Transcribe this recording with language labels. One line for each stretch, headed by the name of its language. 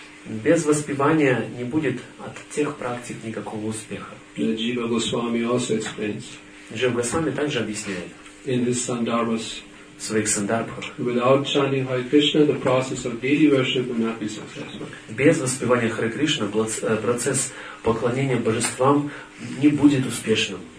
Russian: Без воспевания не будет от тех практик никакого успеха.
English: The Jiva Goswami also explains.
Russian: Джива Госвами также объясняет.
English: In his Sandarbhas.
Russian: В своих Сандарбхах.
English: Without chanting Hare Krishna, the process of deity worship will not be successful.
Russian: Без воспевания Харе Кришна процесс поклонения божествам не будет успешным.